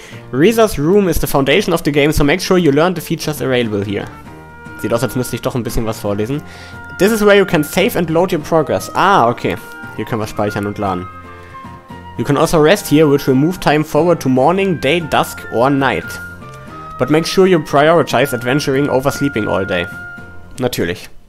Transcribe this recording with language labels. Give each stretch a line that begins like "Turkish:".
English: Risas Room is the foundation of the game, so make sure you learn the features available here.
German: Sieht aus, als müsste ich doch ein bisschen was vorlesen.
English: This is where you can save and load your progress. Ah, okay.
German: Hier können wir speichern und laden.
English: You can also rest here, which will move time forward to morning, day, dusk or night. But make sure you prioritize adventuring over sleeping all day.
German: Natürlich.